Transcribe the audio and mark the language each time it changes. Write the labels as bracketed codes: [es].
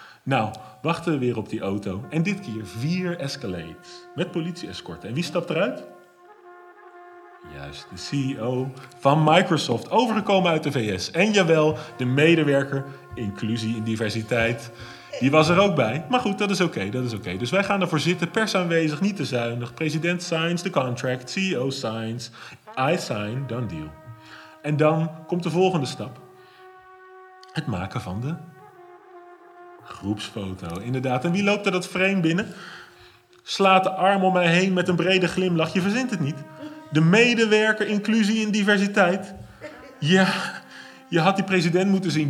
[nl] Nou, wachten we weer op die auto. En dit keer 4 Escalades. Met politie-escorten. En wie stapt eruit? Juist, de CEO van Microsoft, overgekomen uit de VS. En jawel, de medewerker, inclusie en diversiteit, die was er ook bij. Maar goed, dat is oké. Dus wij gaan ervoor zitten, pers aanwezig, niet te zuinig. [en] President signs the contract, CEO signs, I sign, done deal. [nl] En dan komt de volgende stap. Het maken van de groepsfoto, inderdaad. En wie loopt er dat frame binnen? Slaat de arm om mij heen met een brede glimlach, je verzint het niet. De medewerker, inclusie en diversiteit. Ja, je had die president moeten zien.